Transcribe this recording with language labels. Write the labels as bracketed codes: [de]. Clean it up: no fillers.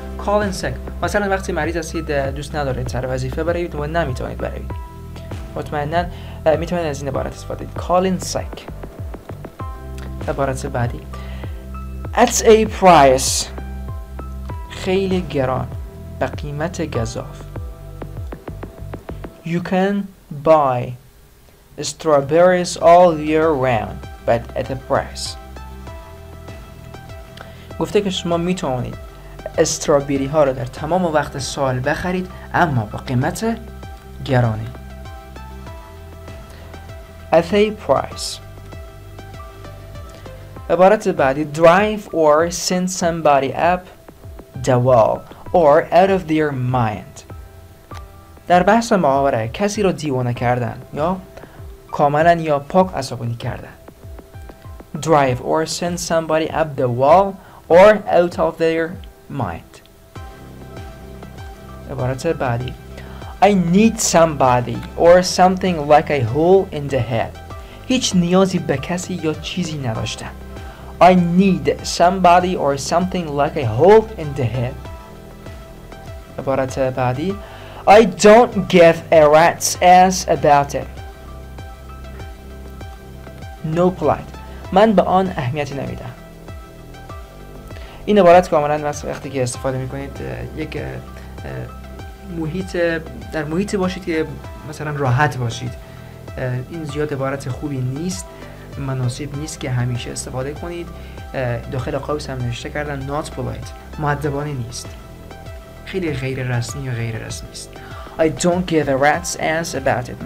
[fa] call in sick، مثلا وقتی مریض هستید دوست ندارید سر وظیفه بروید و نمیتوانید بروید، مطمئنن میتوانید از این عبارت استفاده کنید. [en] call in sick. [fa] عبارت بعدی at a price، خیلی گران، به قیمت گزاف. [en] you can buy strawberries all year round but at a price. [fa] گفته که شما میتونید استرابری ها رو در تمام وقت سال بخرید اما با قیمت گرانی. [en] At a price. عبارت بعدی drive or send somebody up the wall or out of their mind. [fa] در بحث محاوره کسی را دیوانه کردن یا کاملا یا پاک عصبانی کردن. [en] drive or send somebody up the wall or out of their mind. عبارت بعدی I need somebody or something like a hole in the head. [fa] هیچ نیازی به کسی یا چیزی نداشتم. [en] I need somebody or something like a hole in the head. عبارت بعدی I don't give a rat's ass about it. [fa] No polite. من به آن اهمیتی نمیدم. این عبارت کاملا وقتی که استفاده میکنید یک محیط در محیطی باشید که مثلا راحت باشید. این زیاد عبارت خوبی نیست. مناسب نیست که همیشه استفاده کنید. داخل قوس هم نوشته کردن not polite. مؤدبانه نیست. خیلی غیر رسمی و غیر رسمی است. [en] I don't give a rat's ass about it.